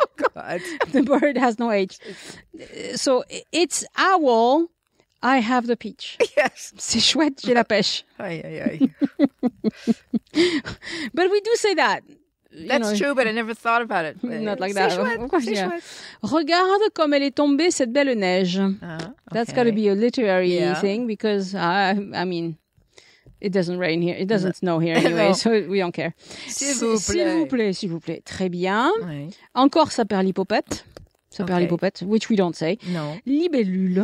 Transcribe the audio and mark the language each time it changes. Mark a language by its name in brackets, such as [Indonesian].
[English] Oh, God. The bird has no H. So it's owl. I have the peach. Yes. [French] C'est chouette, j'ai la pêche. Aïe, aïe, aïe. [English] But we do say that. That's true, but I never thought about it. Not like that. [French] C'est chouette, [English] of course, [French] c'est [English] yeah. [French] chouette. Regarde comme elle est tombée, cette belle neige. [English] Okay. That's got to be a literary thing because, I mean... It doesn't rain here. It doesn't snow here anyway, so we don't care. [French] S'il vous plaît. Très bien. Oui. Encore sa perlipopette. Sa perlipopette, [English] which we don't say. No. [French] Libellule.